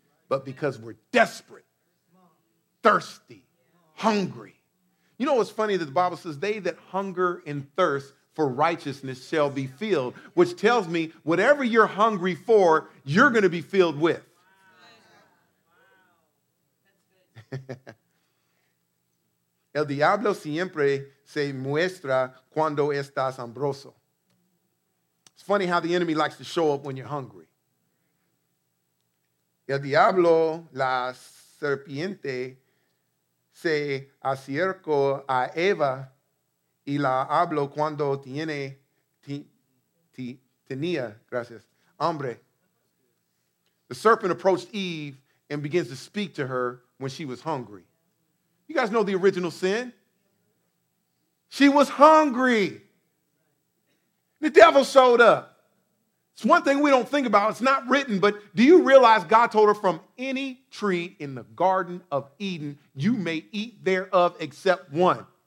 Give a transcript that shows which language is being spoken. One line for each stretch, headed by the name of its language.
English: But because we're desperate, thirsty, hungry. You know what's funny? That the Bible says, they that hunger and thirst for righteousness shall be filled, which tells me whatever you're hungry for, you're going to be filled with.
Spanish: El diablo siempre se muestra cuando estás hambroso.
English: It's funny how the enemy likes to show up when you're hungry.
Spanish: El diablo, la serpiente, se acercó a Eva y la habló cuando tenía, gracias, hambre.
English: The serpent approached Eve and begins to speak to her when she was hungry. You guys know the original sin? She was hungry. The devil showed up. It's one thing we don't think about. It's not written, but do you realize God told her, from any tree in the Garden of Eden, you may eat thereof except one.